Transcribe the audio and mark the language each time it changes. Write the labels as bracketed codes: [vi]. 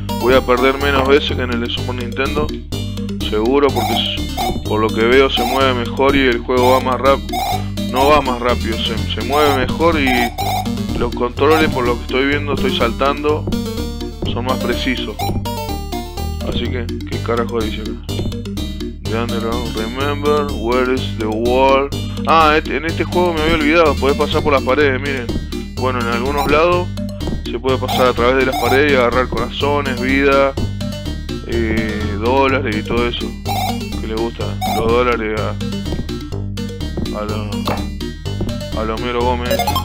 [es] Voy a perder menos veces que en el de Super Nintendo, seguro, porque por lo que veo se mueve mejor y el juego va más rápido. No va más rápido, se mueve mejor y los controles, por lo que estoy viendo, estoy saltando, son más precisos. Así que, ¿qué carajo dice acá? [en] The Underground, remember, where is the wall? [es] Ah, en este juego me había olvidado, podés pasar por las paredes, miren. Bueno, en algunos lados se puede pasar a través de las paredes y agarrar corazones, vida, dólares y todo eso. Que le gusta, los dólares a los Homero Gómez.